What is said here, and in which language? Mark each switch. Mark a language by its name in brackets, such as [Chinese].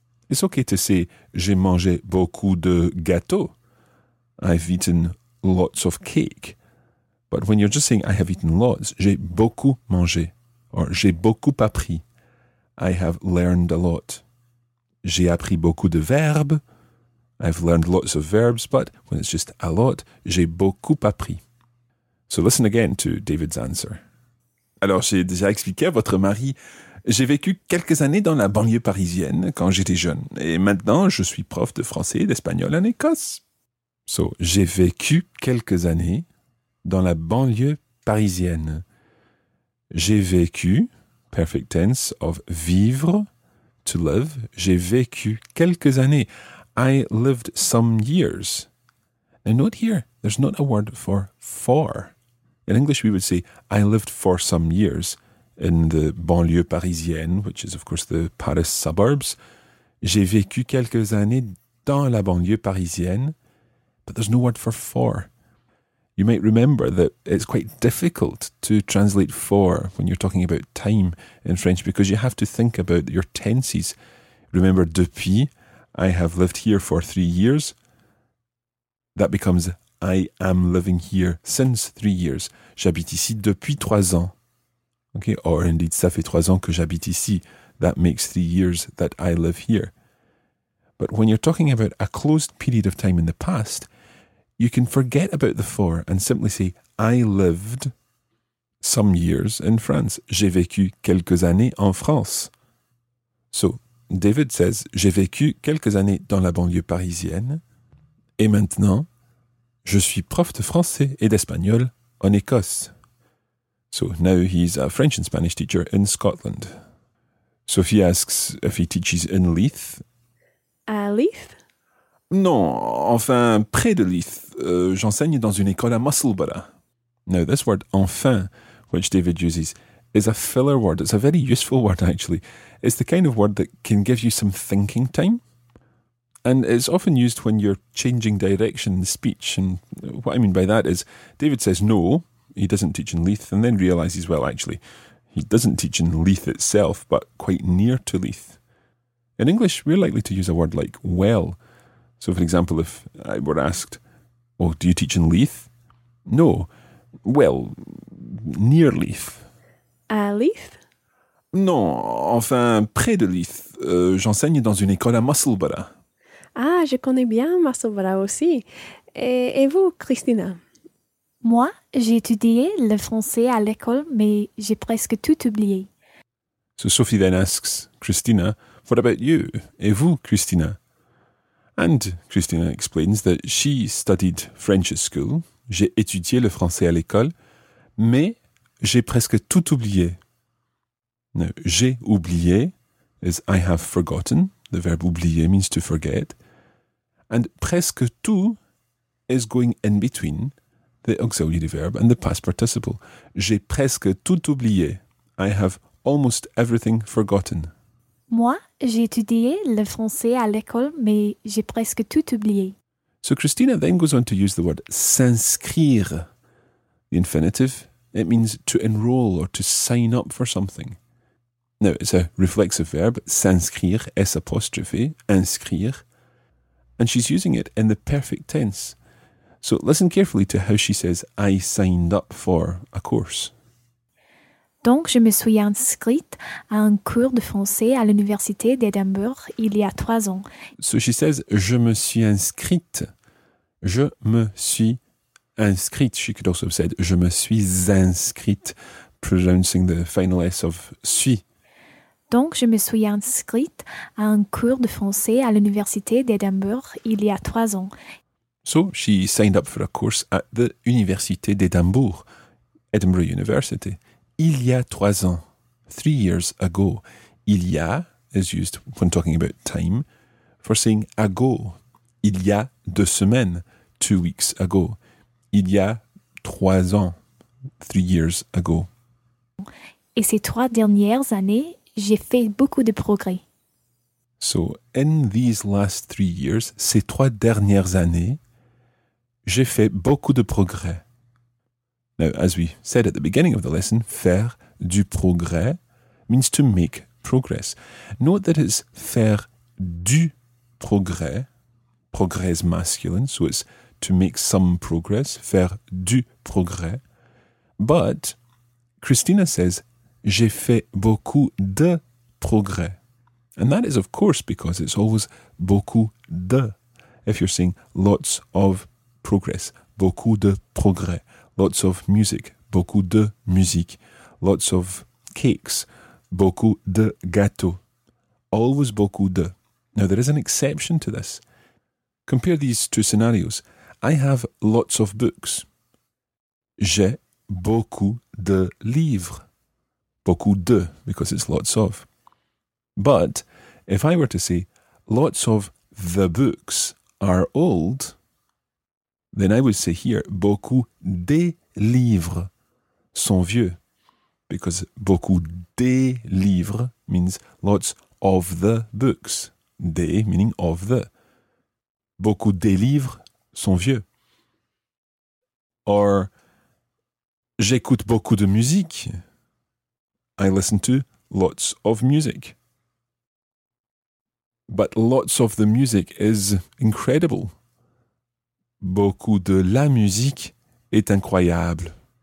[English] It's okay to say [French] j'ai mangé beaucoup de gâteaux. [English] I've eaten lots of cake. But when you're just saying I have eaten lots, [French] j'ai beaucoup mangé. [English] Or [French] j'ai beaucoup appris. [English] I have learned a lot. [French] J'ai appris beaucoup de verbes. [English] I've learned lots of verbs, but when it's just a lot, [French] j'ai beaucoup appris. [English] So listen again to David's answer. [French] Alors, j'ai déjà expliqué à votre mari, J'ai vécu quelques années dans la banlieue parisienne quand j'étais jeune. Et maintenant, je suis prof de français et d'espagnol en Écosse. So, j'ai vécu quelques années dans la banlieue parisienne. J'ai vécu, [English] perfect tense of vivre, to live. [French] J'ai vécu quelques années. [English] I lived some years. And note here, there's not a word for. In English, we would say, I lived for some years in the [French] banlieue parisienne, [English] which is, of course, the Paris suburbs. [French] J'ai vécu quelques années dans la banlieue parisienne. [English] But there's no word for. You might remember that it's quite difficult to translate for when you're talking about time in French because you have to think about your tenses. Remember, depuis, I have lived here for 3 years. That becomes, I am living here since 3 years. [French] J'habite ici depuis 3 ans. [English] Okay, or indeed, [French] ça fait 3 ans que j'habite ici. [English] That makes 3 years that I live here. But when you're talking about a closed period of time in the past, you can forget about the for and simply say, I lived some years in France. [French] J'ai vécu quelques années en France. [English] So, David says, [French] j'ai vécu quelques années dans la banlieue parisienne. Et maintenant, je suis prof de français et d'espagnol en Écosse. [English] So now he's a French and Spanish teacher in Scotland. Sophie asks if he teaches in Leith. [French] À Leith? Non, enfin, près de Leith. J'enseigne dans une école à Musselburgh. [English] Now this word, enfin, which David uses, is a filler word. It's a very useful word, actually. It's the kind of word that can give you some thinking time. And it's often used when you're changing direction in the speech. And what I mean by that is, David says no, he doesn't teach in Leith, and then realises, well, actually, he doesn't teach in Leith itself, but quite near to Leith. In English, we're likely to use a word like well. So, for example, if I were asked, well, do you teach in Leith? No. Well, near Leith. [French] À Leith? Non, enfin, près de Leith. J'enseigne dans une école à Musselburgh. Ah, je connais bien Musselburgh aussi. Et vous, Christina? Moi, j'ai étudié le français à l'école, mais j'ai presque tout oublié. [English] So Sophie then asks, Christina, what about you? [French] Et vous, Christina? [English] And Christina explains that she studied French at school. [French] J'ai étudié le français à l'école, mais j'ai presque tout oublié. [English] Now, [French] j'ai oublié [English] is I have forgotten. The verb oublier means to forget. And [French] presque tout [English] is going in between the auxiliary verb and the past participle. [French] J'ai presque tout oublié. [English] I have almost everything forgotten. [French] Moi, j'ai étudié le français à l'école, mais j'ai presque tout oublié. [English] So Christina then goes on to use the word s'inscrire, the infinitive. It means to enroll or to sign up for something. Now, it's a reflexive verb, s'inscrire, S apostrophe, inscrire. And she's using it in the perfect tense. So listen carefully to how she says, I signed up for a course. [French] Donc, je me suis inscrite à un cours de français à l'université d'Edimbourg il y a 3 ans. [English] So she says, [French] je me suis inscrite. Je me suis inscrite. [English] She could also have said, [French] je me suis inscrite, [English] pronouncing the final S of suis. [French] Donc, je me suis inscrite à un cours de français à l'université d'Edimbourg il y a 3 ans. [English] So, she signed up for a course at the Université d'Edimbourg, Edinburgh University, [French] il y a 3 ans, [English] 3 years ago. [French] Il y a [English] is used when talking about time for saying ago. [French] Il y a 2 semaines, [English] 2 weeks ago. [French] Il y a 3 ans, [English] 3 years ago. [French] Et ces 3 dernières années, j'ai fait beaucoup de progrès. [English] So, in these last 3 years, [French] ces 3 dernières années, j'ai fait beaucoup de progrès. [English] Now, as we said at the beginning of the lesson, [French] faire du progrès [English] means to make progress. Note that it's [French] faire du progrès, [English] progrès masculine, so it's to make some progress, faire du progrès. But Christina says, [French] j'ai fait beaucoup de progrès. [English] And that is, of course, because it's always [French] beaucoup de. [English] If you're saying lots of progress, [French] beaucoup de progrès. [English] Lots of music, [French] beaucoup de musique. [English] Lots of cakes, [French] beaucoup de gâteaux. Always beaucoup de. [English] Now, there is an exception to this. Compare these two scenarios. I have lots of books. [French] J'ai beaucoup de livres. Beaucoup de, [English] because it's lots of. But if I were to say, lots of the books are old, then I would say here, [French] beaucoup des livres sont vieux. [English] Because [French] beaucoup des livres [English] means lots of the books. Des meaning of the. [French] Beaucoup des livres sont vieux. Or, j'écoute beaucoup de musique. [English] I listen to lots of music. But lots of the music is incredible. [French] Beaucoup de la musique est incroyable.